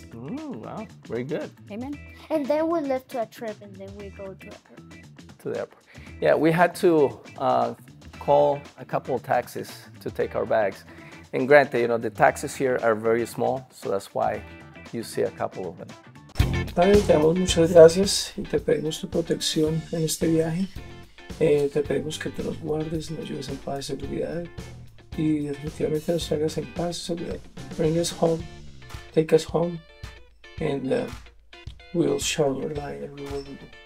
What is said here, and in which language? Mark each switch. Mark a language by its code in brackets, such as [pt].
[en] Ooh, wow, very good. Amen. And then we left to a trip and then we go to the airport. To the airport. Yeah, we had to call a couple of taxis to take our bags. And granted, you know, the taxis here are very small, so that's why you see a couple of them. [es] Padre, te damos muchas gracias y te pedimos tu protección en este viaje. Te pedimos que te los guardes, nos lleves en paz y seguridad. y definitivamente nos hagas en paz. [en] Bring us home, take us home, and we'll show your light and we will do.